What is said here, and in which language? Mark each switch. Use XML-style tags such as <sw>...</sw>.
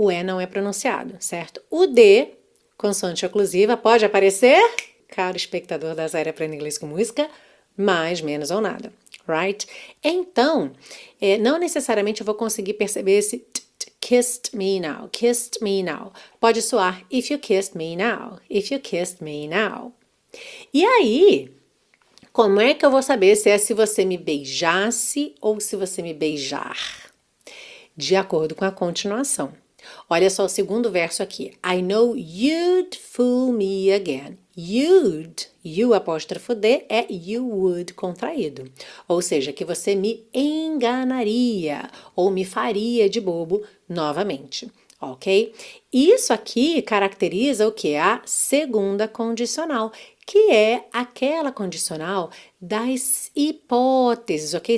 <pt>O E não é pronunciado, certo? O D, consoante oclusiva, pode aparecer, caro espectador da série Aprenda Inglês com Música, mais, menos ou nada, right? Então, não necessariamente eu vou conseguir perceber esse kissed me now, kissed me now. Pode soar</pt> <en>if you kissed me now, if you kissed me now.</en> <pt>E aí, como é que eu vou saber se você me beijasse ou se você me beijar? De acordo com a continuação. Olha só o segundo verso aqui.</pt> <en>I know you'd fool me again.</en> <pt>You apóstrofo D é you would contraído. Ou seja, que você me enganaria ou me faria de bobo novamente. Ok? Isso aqui caracteriza o que? A segunda condicional, que é aquela condicional das hipóteses, ok?</pt>